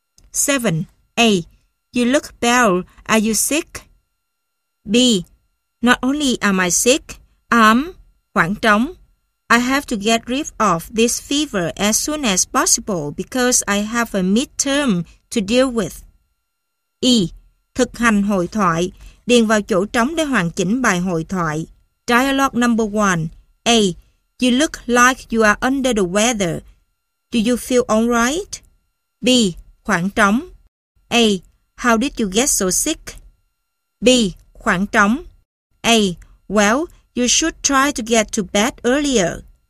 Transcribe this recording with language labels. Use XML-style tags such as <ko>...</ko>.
<en>7. A. You look pale. Are you sick? B. Not only am I sick, I'm</en> <vi>Khoảng trống.</vi> <en>I have to get rid of this fever as soon as possible because I have a midterm to deal with.</en> <vi>E. Thực hành hội thoại. Điền vào chỗ trống để hoàn chỉnh bài hội thoại.</vi> <en>Dialogue number 1. A. You look like you are under the weather. Do you feel all right? B.</en> <vi>Khoảng trống.</vi> <en>A. How did you get so sick? B.</en> <vi>Khoảng trống.</vi> <en>A. Well, you should try to get to bed earlier.</en>